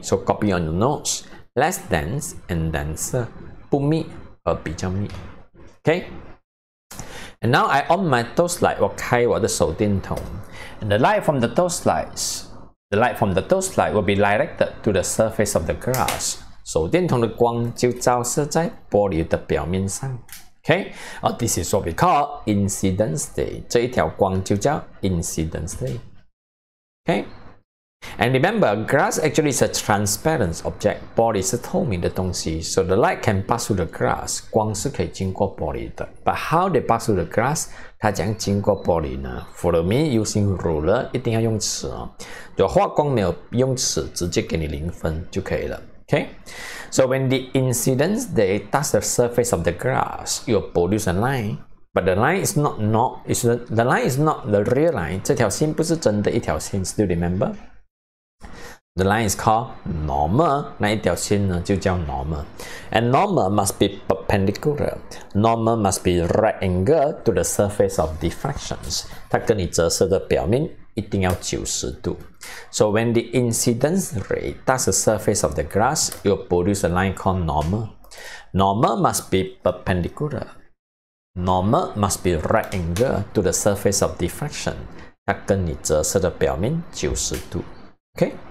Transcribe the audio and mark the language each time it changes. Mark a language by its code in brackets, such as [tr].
[en] So copy on your notes, less dense and denser, [zh] 不密和比较密, [en] okay? And now I on my torchlight, [zh] 我开我的手电筒, [en] and the light from the torchlightsThe light from the torchlight will be directed to the surface of the grass. [zh] 手电筒的光就照射在玻璃的表面上。 [en] Okay, or this is what we call incidence ray. [zh] 这一条光就叫 [en] incidence ray. Okay, and remember, grass actually is a transparent object. [zh] 玻璃是透明的东西 [en] ，so the light can pass through the grass. [zh] 光是可以经过玻璃的。 [en] But how they pass through the grass? [zh] 它将经过玻璃呢 ？ [en] Follow me using ruler， [zh] 一定要用尺哦。如果画光没有用尺，直接给你零分就可以了。 [en] Okay， so when the incidence ray touch the surface of the grass， it will produce a line， but the line is not the real line。 [zh] 这条线不是真的一条线 [en] ，still remember？ The line is called normal， [zh] 那一条线呢就叫 [en] normal， and normal must be。Perpendicular. Normal must be right angle to the surface of diffractions. [zh] 它跟你折射的表面一定要90度. [en] So when the incidence ray touches the surface of the grass, you produce a line called normal. Normal must be perpendicular. Normal must be right angle to the surface of diffraction. [zh] 它跟你折射的表面90度.Okay?